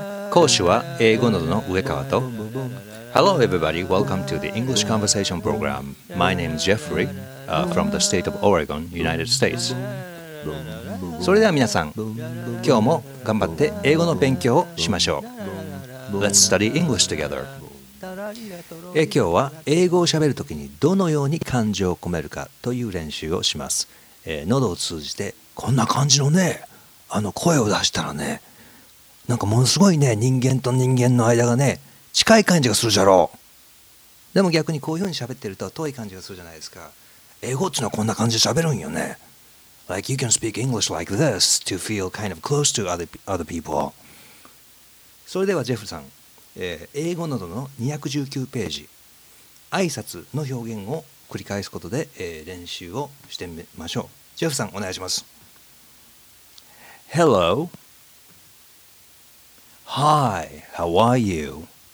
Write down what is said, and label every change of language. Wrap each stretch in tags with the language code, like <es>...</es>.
<ja>講師は英語などの上川と。</ja> <en>Hello everybody, welcome to the English Conversation Program. My name is Jeffrey, from the state of Oregon, United States.</en> <ja>それでは皆さん、今日も頑張って英語の勉強をしましょう。</ja> <en>Let's study English together.</en> <ja>今日は英語を喋るときにどのように感情を込めるかという練習をします。喉を通じてこんな感じのね、あの声を出したらね、なんかものすごいね、人間と人間の間がね、近い感じがするじゃろう。でも逆にこういうふうに喋ってると遠い感じがするじゃないですか。英語っていうのはこんな感じで喋るんよね。</ja> <en>Like you can speak English like this to feel kind of close to other people.</en> <ja>それではジェフさん、英語などの219ページ、挨拶の表現を繰り返すことで、練習をしてみましょう。ジェフさん、お願いします。</ja> <en>Hello. Hi, how are you?</en>